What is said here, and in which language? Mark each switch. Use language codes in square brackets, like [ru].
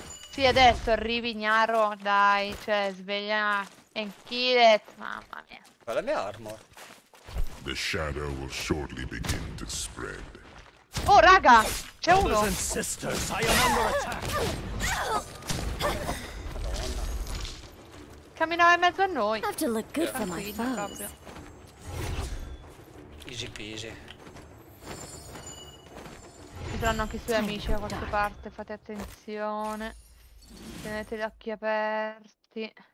[it] Sì, adesso arrivi, gnaro, dai, cioè, sveglia [en] and kill it, [it] mamma mia. Ma la mia armor. [en] The shadow will shortly begin to spread. Oh, [it] raga, c'è uno. [en] Brothers and sisters, I am under attack. [it] Madonna. Camminava in mezzo a noi. [en] Have to look good for my foes. Easy peasy. [it] Ci saranno anche i suoi amici da qualche parte, fate attenzione. Tenete gli occhi aperti.